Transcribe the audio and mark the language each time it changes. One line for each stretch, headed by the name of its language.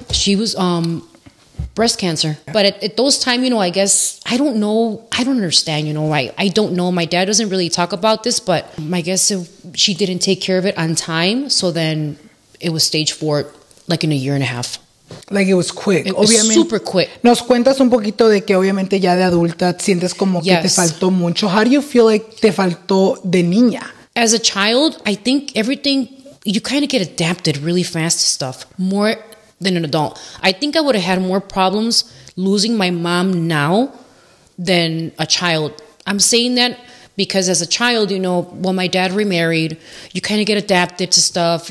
English: She was breast cancer. But at those times, you know, I guess, I don't know. I don't understand, you know. I don't know. My dad doesn't really talk about this, but I guess if she didn't take care of it on time. So then it was stage 4, like in a year and a half. Like it was quick. It obviamente. Super quick.
Spanish: Nos cuentas un poquito de que obviamente ya de adulta sientes como yes. que te faltó mucho.
English: How do you feel like
Spanish: te faltó de niña?
English: As a child, I think everything, you kind of get adapted really fast to stuff. More than an adult. I think I would have had more problems losing my mom now than a child. I'm saying that because as a child, you know, when my dad remarried, you kind of get adapted to stuff.